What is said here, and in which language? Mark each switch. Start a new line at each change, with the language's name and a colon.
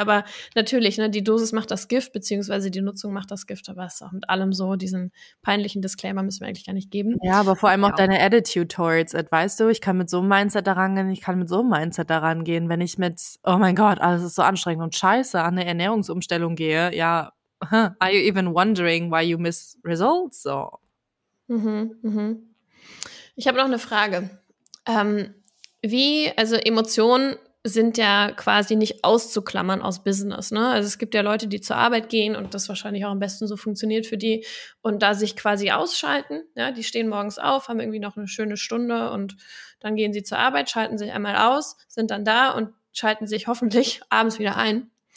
German: Aber natürlich, ne, die Dosis macht das Gift, beziehungsweise die Nutzung macht das Gift. Aber es ist auch mit allem so, diesen peinlichen Disclaimer müssen wir eigentlich gar nicht geben. Ja, aber vor allem auch deine
English: Attitude towards it.
German: Weißt du, ich kann mit so einem Mindset daran gehen, wenn ich mit, oh mein Gott, alles ist so anstrengend und scheiße, an eine Ernährungsumstellung gehe, ja. Huh.
English: Are you even wondering why you miss results? So.
German: Ich habe noch eine Frage. Wie, also Emotionen sind ja quasi nicht auszuklammern aus Business, ne? Also es gibt ja Leute, die zur Arbeit gehen und das wahrscheinlich auch am besten so funktioniert für die und da sich quasi ausschalten, ja, die stehen morgens auf, haben irgendwie noch eine schöne Stunde und dann gehen sie zur Arbeit, schalten sich einmal aus, sind dann da und schalten sich hoffentlich abends wieder ein.